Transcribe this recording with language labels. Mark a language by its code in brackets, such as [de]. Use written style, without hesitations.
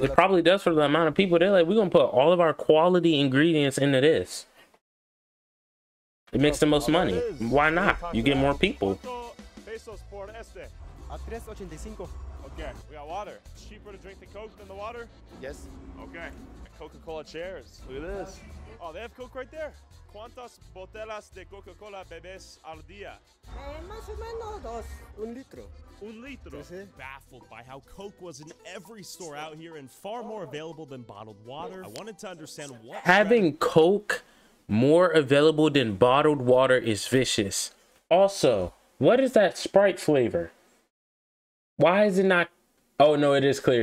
[en] It probably does for the amount of people. They're like, we're gonna put all of our quality ingredients into this. It makes the most money. Why not? You get more people. Okay, we got water. It's cheaper to drink the Coke than the water? Yes. Okay. Coca-Cola chairs. Look at this. Oh, they have Coke right there. [es] ¿Cuántas botellas de Coca-Cola bebes al día? Más o menos dos. Un litro. Un litro. [en] Baffled by how Coke was in every store out here and far more available than bottled water. I wanted to understand what... Having Coke more available than bottled water is vicious. Also, what is that Sprite flavor? Why is it not... Oh, no, it is clear.